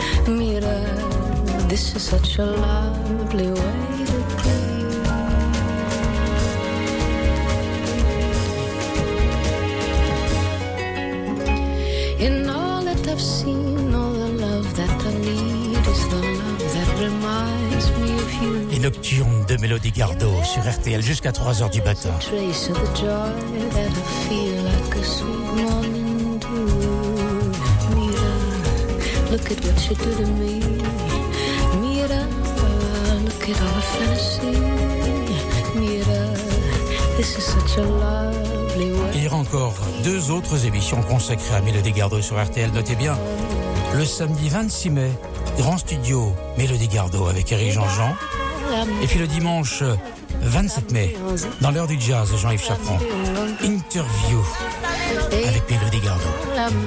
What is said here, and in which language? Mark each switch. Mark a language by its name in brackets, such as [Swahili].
[English] Mira, this is such a lovely way. In all that I've seen, all the love that I need is the love that reminds me of you. [French] Les nocturnes de Mélodie Gardot sur RTL jusqu'à 3h du matin. [English] A trace of the joy that I feel like a sweet morning dew. Mira, look at what you do to me. Mira, look at all the fantasy. Mira, this is such a lovely. [French] Il y aura encore deux autres émissions consacrées à Mélodie Gardot sur RTL. Notez bien, le samedi 26 mai, grand studio Mélodie Gardot avec Eric Jean-Jean. Et puis le dimanche 27 mai, dans l'heure du jazz, Jean-Yves Chaperon, interview avec Mélodie Gardot.